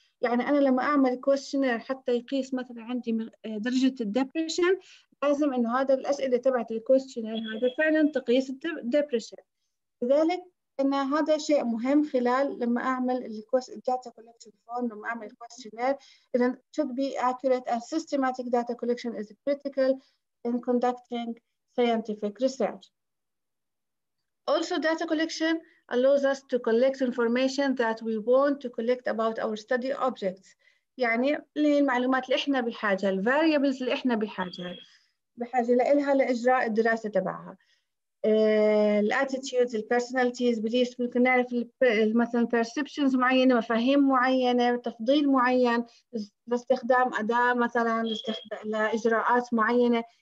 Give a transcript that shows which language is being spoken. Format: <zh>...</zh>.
<ar>يعني أنا لما أعمل questionnaire حتى يقيس مثلا عندي درجة الدبريشن لازم إنه هذا الأسئلة تبعت الكويستشنير هذا فعلا تقيس الدبريشن. لذلك إن هذا شيء مهم خلال لما أعمل data collection form لما أعمل questionnaire.</ar> <en>إذا should be accurate and systematic data collection is critical in conducting scientific research. Also, data collection allows us to collect information that we want to collect about our study objects.</en> <ar>يعني للمعلومات اللي احنا بحاجة, variables اللي احنا بحاجة لإلها لإجراء الدراسة تبعها.</ar> <en>Attitudes, personalities, beliefs,</en> <ar>ممكن نعرف مثلا perceptions معينة, مفاهيم معينة, تفضيل معين, لاستخدام أداة مثلا, لإجراءات معينة.</ar>